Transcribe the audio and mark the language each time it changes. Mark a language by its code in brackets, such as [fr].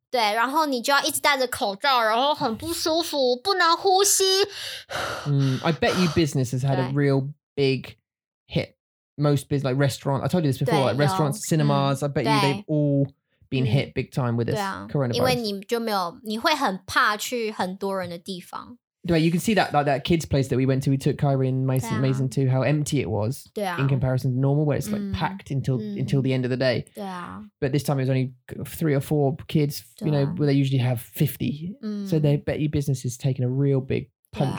[zh] 对，然后你就要一直戴着口罩，然后很不舒服，不能呼吸。I [en] bet you business has had a real big hit. Most business, like restaurants, I told you this before, like restaurants, cinemas, I bet you they've all been hit big time with this coronavirus. [zh] 因为你就没有，你会很怕去很多人的地方。 [en] Right, you can see that, like that kids place that we went to, we took Kyrie and Mason, Mason to, how empty it was in comparison to normal, where it's like packed until the end of the day. Yeah. But this time it was only three or four kids, you know, where they usually have 50. So they bet your business is taking a real big punch.